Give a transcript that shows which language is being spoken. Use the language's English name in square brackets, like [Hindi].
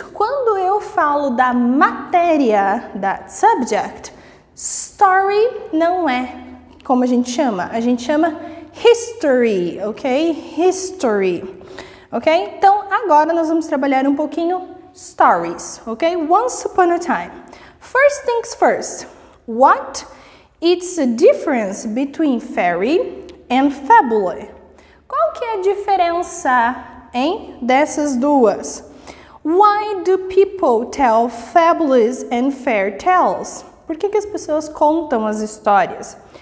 [Portuguese] Quando eu falo da matéria, da subject, story não é como a gente chama. A gente chama history, ok? History, ok? Então, agora nós vamos trabalhar um pouquinho stories, ok? [English] Once upon a time. First things first, what is the difference between fairy and fable? [Portuguese] Qual que é a diferença, hein, dessas duas? [English] Why do people tell fables and fairy tales? [Portuguese] Por que, que as pessoas contam as histórias?